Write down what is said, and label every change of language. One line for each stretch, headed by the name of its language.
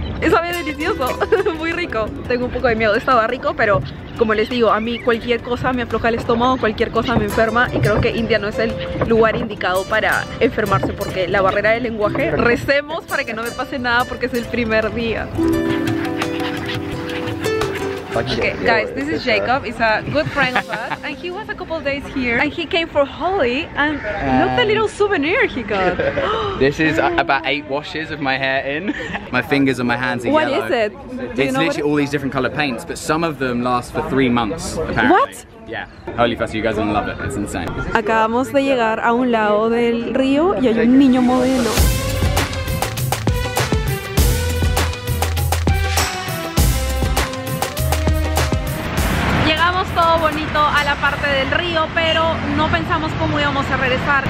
Spanish: Sabe delicioso, muy rico. Tengo un poco de miedo, estaba rico, pero como les digo, a mí cualquier cosa me afloja el estómago, cualquier cosa me enferma, y creo que India no es el lugar indicado para enfermarse porque la barrera del lenguaje. Recemos para que no me pase nada porque es el primer día.
English: Okay, guys, this is Jacob. He's a good friend of us, and he was a couple of days here, and he came for Holi, and look at the little souvenir he got. This is about 8 washes of my hair in. My fingers and my hands are what yellow. What is it? It's all these different color paints, but some of them last for 3 months, apparently. What? Yeah, Holi Fest, you guys are gonna love it. It's insane.
Spanish: Acabamos de llegar a un lado del río y hay un niño modelo. Bonito a la parte del río, pero no pensamos cómo íbamos a regresar.